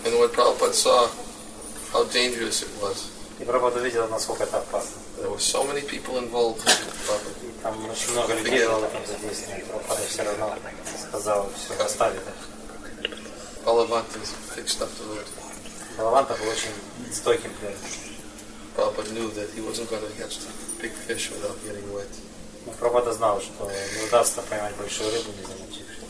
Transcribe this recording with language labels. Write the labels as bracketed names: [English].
[English] And when Prabhupada saw how dangerous it was. [Russian] И Прабхупада видел, насколько это опасно. [English] There were so many people involved. [Russian] Там очень много людей было там задействовано. Прабхупада все равно сказал, все оставит. [English] Balavanta is fixed up to it. [Russian] Балаванта был очень стойким прежде. [English] Prabhupada knew that he wasn't going to catch the big fish without getting wet. [Russian] Прабхупада знал, что не удастся поймать большую рыбу, не замочив.